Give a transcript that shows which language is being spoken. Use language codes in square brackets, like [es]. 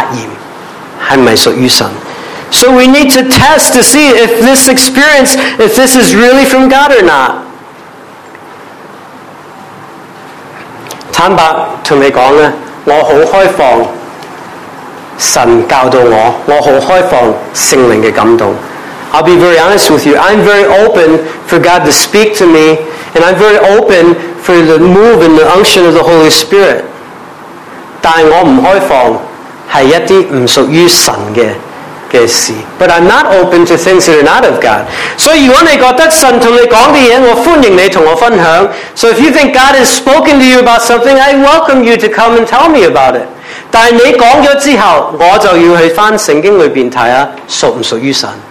[zh] 亲爱的弟兄啊,一切的灵,你们不可都信,总要试验那些灵是出于神的不是,因为世上有许多假先知已经出来了。所以我们要察验,是不是属于神。 [en] So we need to test to see if this experience, if this is really from God or not. [zh] 坦白跟你说,我很开放神教导我,我很开放圣灵的感动。 [en] I'll be very honest with you, I'm very open for God to speak to me, and I'm very open for the move and the unction of the Holy Spirit. [zh] 但我不开放,是一些不属于神的。 [en] But I'm not open to things that are not of God. So if you think God has spoken to you about something, I welcome you to come and tell me about it. [zh] 但你说了之后,我就要去翻圣经里面看,属不属于神?